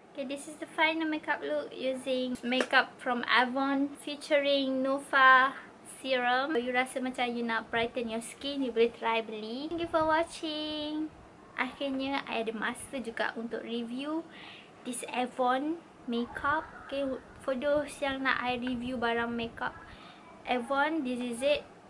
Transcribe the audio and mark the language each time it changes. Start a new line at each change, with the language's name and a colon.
English: Okay, this is the final makeup look using makeup from Avon featuring Noufa Serum.
Malay: Kalau
English: you
Malay: rasa macam
English: you
Malay: nak
English: brighten your skin, you
Malay: boleh
English: try
Malay: beli.
English: Thank you for watching.
Malay: Akhirnya, I ada masa juga untuk
English: review this Avon makeup. Okay, for those
Malay: yang nak
English: I review barang makeup Avon, this is it.